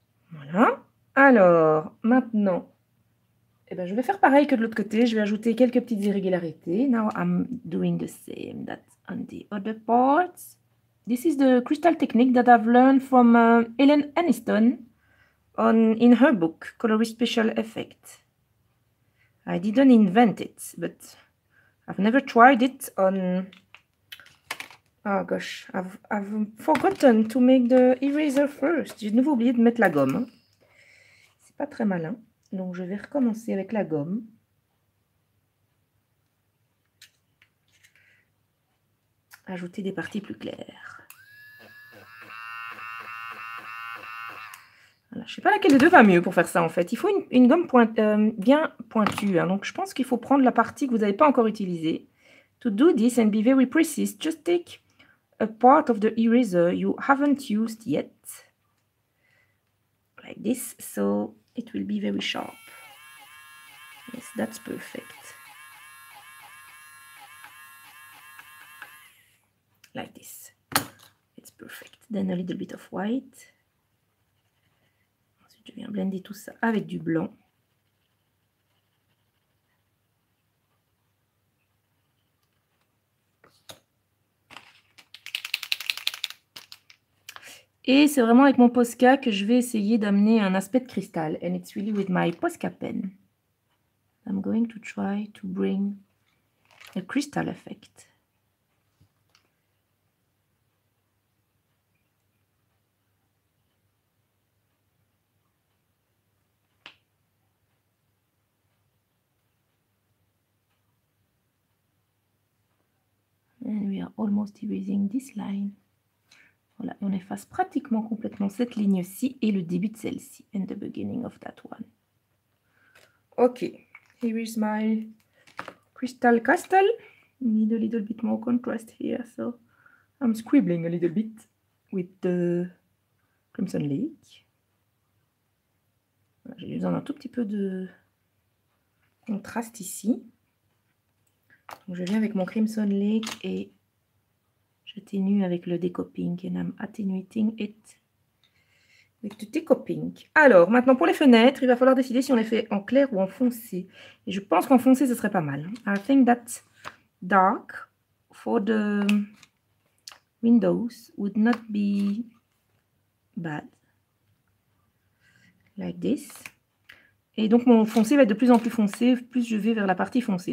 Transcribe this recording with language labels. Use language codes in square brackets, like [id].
[fr] Voilà. Alors, maintenant, eh ben, je vais faire pareil que de l'autre côté. Je vais ajouter quelques petites irrégularités. [en] Now I'm doing the same that on the other part. This is the crystal technique that I've learned from Ellen Aniston in her book, Color Special Effect. I didn't invent it, but I've never tried it on... Oh gosh, I've forgotten to make the eraser first. [fr] J'ai de nouveau oublié de mettre la gomme. C'est pas très malin. Donc je vais recommencer avec la gomme. Ajouter des parties plus claires. Voilà. Je ne sais pas laquelle des deux va mieux pour faire ça en fait. Il faut une gomme bien pointue. Hein. Donc je pense qu'il faut prendre la partie que vous n'avez pas encore utilisée. [en] To do this and be very precise, just take a part of the eraser you haven't used yet. Like this, so it will be very sharp. Yes, that's perfect. Like this. It's perfect. Then a little bit of white. [fr] Je viens blender tout ça avec du blanc. Et c'est vraiment avec mon Posca que je vais essayer d'amener un aspect de cristal. [en] And it's really with my Posca pen. I'm going to try to bring a crystal effect. And we are almost erasing this line. [fr] Voilà, on efface pratiquement complètement cette ligne-ci et le début de celle-ci. [en] And the beginning of that one. Ok, here is my crystal castle. Need a little bit more contrast here, so I'm scribbling a little bit with the crimson lake. [fr] J'ai besoin d'un tout petit peu de contraste ici. Donc je viens avec mon crimson lake et j'atténue avec le déco pink. [en] And I'm attenuating it with the déco pink. [fr] Alors, maintenant pour les fenêtres, il va falloir décider si on les fait en clair ou en foncé. Et je pense qu'en foncé, ce serait pas mal. [en] I think that dark for the windows would not be bad. Like this. [fr] Et donc, mon foncé va être de plus en plus foncé, plus je vais vers la partie foncée.